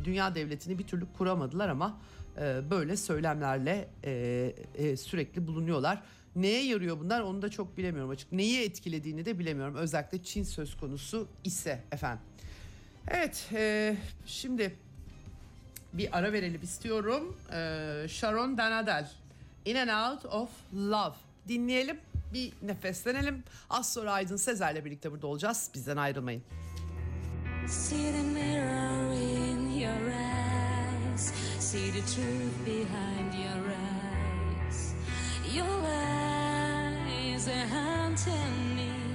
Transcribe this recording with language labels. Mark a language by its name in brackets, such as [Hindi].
[Turkish] Dünya devletini bir türlü kuramadılar ama böyle söylemlerle sürekli bulunuyorlar. Neye yarıyor bunlar onu da çok bilemiyorum açık. Neyi etkilediğini de bilemiyorum. Özellikle Çin söz konusu ise efendim. Evet şimdi bir ara verelim istiyorum. [English] Sharon Danadel, In and Out of Love. [Turkish] Dinleyelim, bir nefeslenelim. Az sonra Aydın Sezer'le birlikte burada olacağız. Bizden ayrılmayın. [English] See the mirror in your eyes. See the truth behind your eyes. Your eyes are haunting me.